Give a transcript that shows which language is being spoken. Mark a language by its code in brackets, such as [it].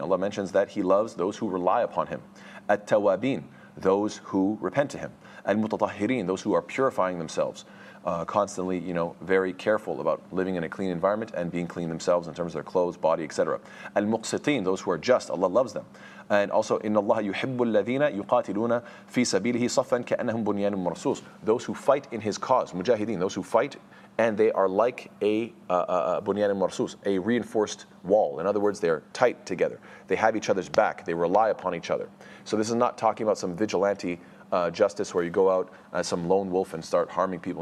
[en] Allah mentions that He loves those who rely upon Him. At-tawabin, those who repent to Him. Al-mutatahirin, those who are purifying themselves. Constantly, you know, very careful about living in a clean environment and being clean themselves in terms of their clothes, body, etc. Al-muqsitin, those who are just, Allah loves them. [ar] And also, إِنَّ اللَّهَ يُحِبُّ الَّذِينَ يُقَاتِلُونَ فِي سَبِيلِهِ صَفًّا كَأَنَّهُمْ بُنْيَانٌ مَرْصُوصٌ. [en] Those who fight in His cause, mujahideen, those who fight, and they are like a [ar] بُنْيَانٌ مَرْصُوصٌ, [en] a reinforced wall. In other words, they are tight together. They have each other's back. They rely upon each other. So this is not talking about some vigilante justice where you go out as some lone wolf and start harming people.